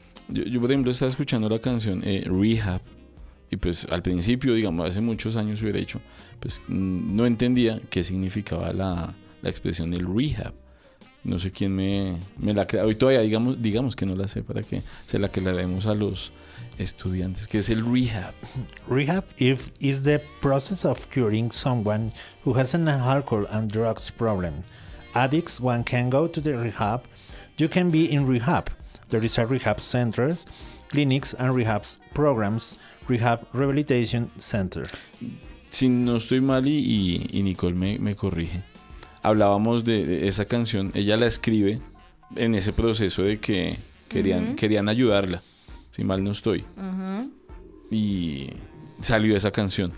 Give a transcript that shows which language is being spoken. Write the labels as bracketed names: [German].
[Spanish] Yo por ejemplo estaba escuchando la canción Rehab. Y pues al principio, digamos, hace muchos años hubiera dicho, pues no entendía qué significaba la expresión del rehab. No sé quién me la crea. Hoy todavía digamos que no la sé, para que sea la que la demos a los estudiantes. ¿Qué es el rehab? [English] Rehab is the process of curing someone who has an alcohol and drugs problem. Addicts, one can go to the rehab. You can be in rehab. There is a rehab centers, clinics and rehab programs. Rehab Rehabilitation Center. [Spanish] Si no estoy mal y Nicole me corrige, hablábamos de esa canción, ella la escribe en ese proceso de que querían, uh-huh. querían ayudarla, si mal no estoy, uh-huh. y salió esa canción.